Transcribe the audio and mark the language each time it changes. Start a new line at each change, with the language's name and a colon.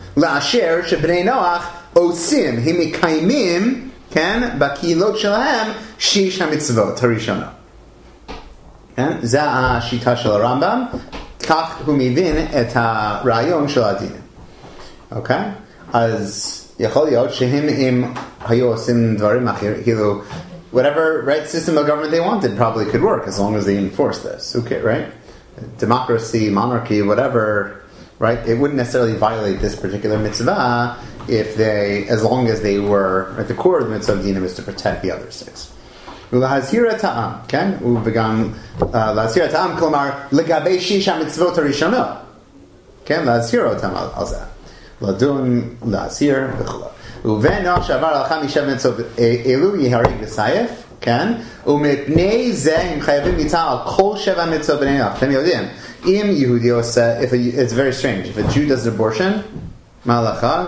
Hebrew: לאשר שבני נוח עושים, הם מקיימים, כן, בקהילות שלהם, שש המצוות הראשונה. כן? זה השיטה של הרמב״ם, כך הוא מבין את הרעיון של הדינים. אוקיי? אז יכול להיות שהם אם היו עושים דברים אחרים, כאילו,
English: whatever right system of government they wanted probably could work as long as they enforce this. Okay, right? Democracy, monarchy, whatever, right? It wouldn't necessarily violate this particular mitzvah if they, as long as they were at the core of the mitzvah of dinim is to protect the other six.
Hebrew: ולהזהיר את העם, כן? וגם להזהיר את העם, כלומר, לגבי שיש המצוות הראשונות. כן? להזהיר אותם על זה. לדון, להזהיר וכו'. ובן נוח שעבר הלכה משבע מצוות אלו יהרג בסייף, כן? ומפני זה הם חייבים מיתה על כל שבע מצוות בני נוח. אתם יודעים, אם יהודי עושה,
English: it's very strange, if a Jew does abortion,
Hebrew: מה הלכה?